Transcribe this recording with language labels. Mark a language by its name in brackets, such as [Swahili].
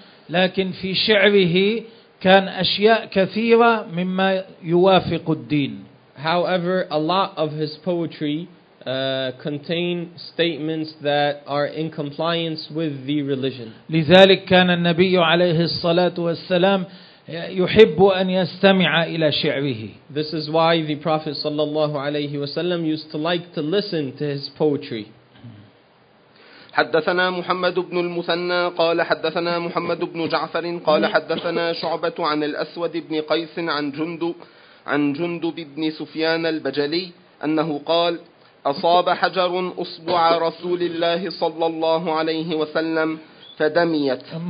[Arabic] لكن في شعره كان أشياء كثيرة مما يوافق الدين. [English] However, a lot of his poetry contain statements that are in compliance with the religion. [Arabic] لذلك كان النبي عليه الصلاة والسلام يحب أن يستمع إلى شعره. [English] This is why the Prophet [Arabic] صلى الله عليه وسلم [English] used to like to listen to his poetry. [Arabic] حدثنا محمد بن المثنى قال حدثنا محمد بن جعفر قال حدثنا شعبة عن الأسود بن قيس عن جندب بن سفيان البجلي أنه قال أصاب حجر أصبع رسول الله صلى الله عليه وسلم فدميت.